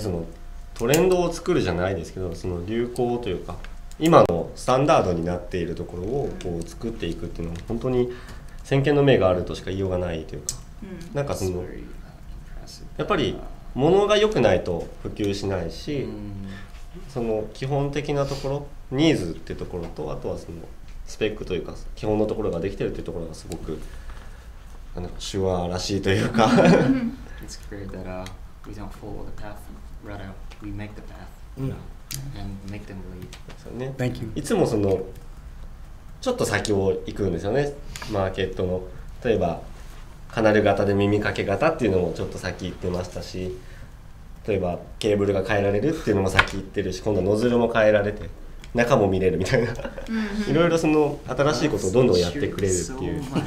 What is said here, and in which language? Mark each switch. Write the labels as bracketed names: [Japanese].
[Japanese] そのトレンドを作るじゃないですけどその流行というか今のスタンダードになっているところをこう作っていくっていうのは本当に先見の目があるとしか言いようがないというか、なんかそのやっぱり物が良くないと普及しないし、その基本的なところニーズってところとあとはそのスペックというか基本のところができてるっていうところがすごくあの手話らしいというか。 [English] It's clear that we don't follow the path, rather we make the path, you know, and make them lead. [Japanese] そうね。 [English] Thank you. [Japanese] いつもそのちょっと先を行くんですよね、マーケットの。例えばカナル型で耳掛け型っていうのもちょっと先行ってましたし、例えばケーブルが変えられるっていうのも先行ってるし、今度ノズルも変えられて中も見れるみたいないろいろその新しいことをどんどんやってくれるっていう。